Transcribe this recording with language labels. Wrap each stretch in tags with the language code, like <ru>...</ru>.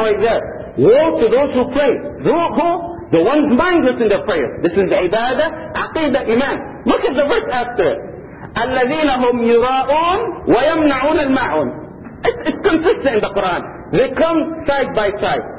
<ar>وإذا</ar> <en>woe to those who pray. Who? The ones mindless in their prayer. This is عبادة, عقيدة, إيمان. Look at the verse after.</en> <ar>الذين هم يراؤون ويمنعون الماعون.</ar> <en>It's consistent in the Quran. They come side by side.</en>